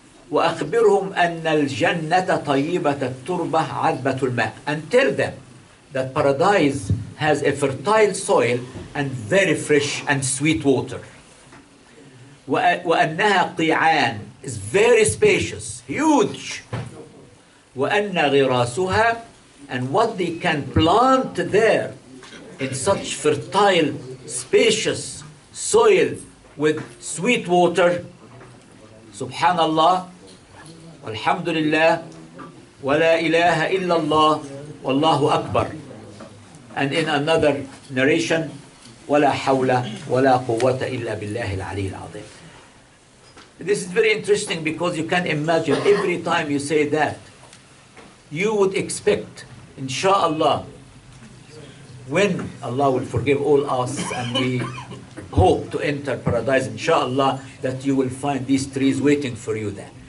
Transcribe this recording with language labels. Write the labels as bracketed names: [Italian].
[Arabic] وأخبرهم أن الجنة طيبة التربة عذبة الماء. [English] And tell them that paradise has a fertile soil and very fresh and sweet water. [Arabic] وأنها قيعان, [English] is very spacious, huge. [Arabic] وأن غراسها, [English] and what they can plant there in such fertile, spacious soil with sweet water. [Arabic] Subhanallah. الحمد لله ولا إله إلا الله والله أكبر. [English] And in another narration, [Arabic] ولا حول ولا قوة إلا بالله العلي العظيم. [English] This is very interesting, because you can imagine every time you say that, you would expect, inshallah, when Allah will forgive all us and we hope to enter paradise, inshallah, that you will find these trees waiting for you there.